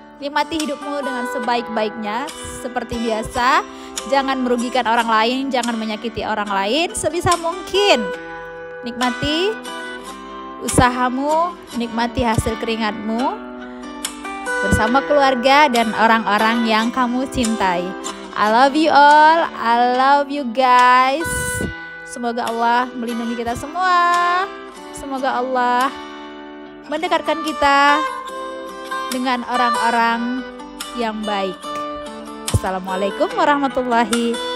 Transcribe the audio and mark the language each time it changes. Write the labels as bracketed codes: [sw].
[id] Nikmati hidupmu dengan sebaik-baiknya seperti biasa. Jangan merugikan orang lain, jangan menyakiti orang lain sebisa mungkin. Nikmati usahamu, nikmati hasil keringatmu bersama keluarga dan orang-orang yang kamu cintai. [en] I love you all, I love you guys. [id] Semoga Allah melindungi kita semua. Semoga Allah mendekatkan kita dengan orang-orang yang baik. Assalamualaikum warahmatullahi